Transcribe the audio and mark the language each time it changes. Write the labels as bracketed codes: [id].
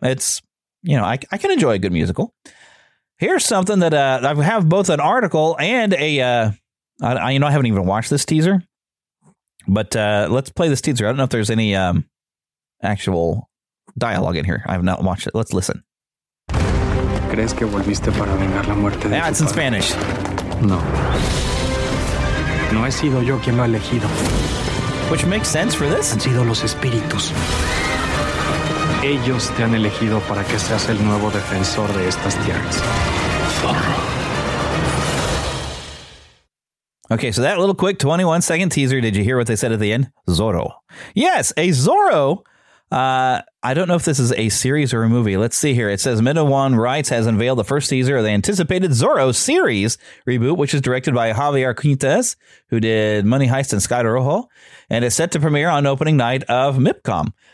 [en] It's, you know, I can enjoy a good musical. Here's something that I have both an article and I haven't even watched this teaser, but let's play this teaser. I don't know if there's any actual dialogue in here. I have not watched it. Let's listen. [es] ¿Crees que volviste para vengar la muerte de tu padre? [en] Yeah, it's in Spanish. [es] No. No he sido yo quien lo ha elegido. [en] Which makes sense for this. [es] Han sido los espíritus. Ellos te han elegido para que seas el nuevo defensor de estas tierras. [en] Okay, so that little quick 21-second teaser, did you hear what they said at the end? Zorro. Yes, a Zorro. I don't know if this is a series or a movie. Let's see here. It says Minowan Rights has unveiled the first teaser of the anticipated Zorro series reboot, which is directed by Javier Quintez, who did Money Heist and Sky Rojo, and is set to premiere on opening night of MIPCOM.